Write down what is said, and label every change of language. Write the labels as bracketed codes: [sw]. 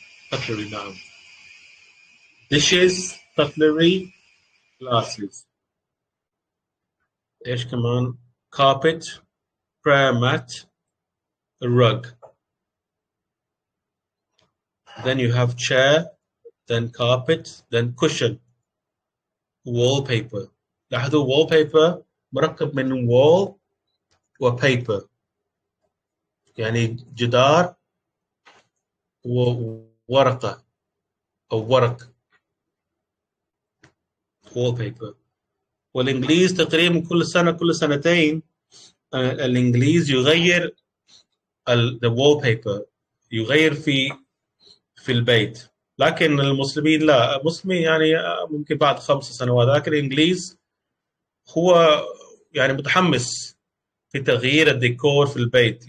[en] cutlery, نعم، dishes، cutlery, glasses، [ar] إيش كمان؟ [en] carpet، prayer mat، rug. Then you have chair, then carpet, then cushion, wallpaper. [ar] لاحظوا wallpaper مركب من wall و paper، يعني جدار وورقة أو ورق، wallpaper. والإنجليز تقريبا كل سنة، كل سنتين الإنجليز يغير the wallpaper، يغير في البيت، لكن المسلمين لا، المسلمين يعني ممكن بعد 5 سنوات، لكن الإنجليز هو يعني متحمس في تغيير الديكور في البيت.